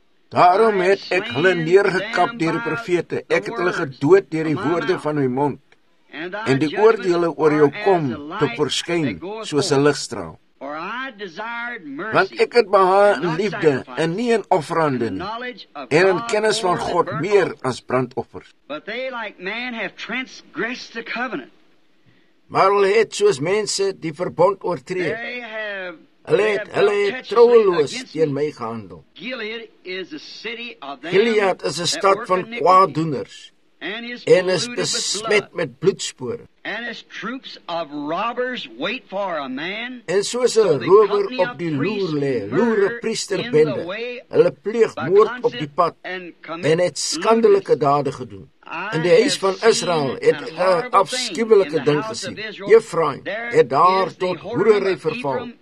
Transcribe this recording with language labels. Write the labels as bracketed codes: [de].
[af] Daarom het ek hulle neergekap deur die profete, ek het hulle gedood deur die woorde van my mond, en die oordele oor jou kom te verskyn soos een ligstraal. Want ek het behaag in liefde en nie in offerande nie, en in kennis van God meer as brandoffers. Maar hulle het soos mense die verbond oortree. Hulle het troueloos teen my gehandel. Gilead is 'n stad van kwaaddoeners, en is besmet met bloedspore. [en] And as troops of robbers wait for a man, [af] en soos 'n rower op die loer lê, loer 'n priesterbende, hulle pleeg moord op die pad, en het skandelike dade gedoen. In die huis van Israel het 'n afskuwelike ding gesien. Ephraim het daar tot hoerery verval.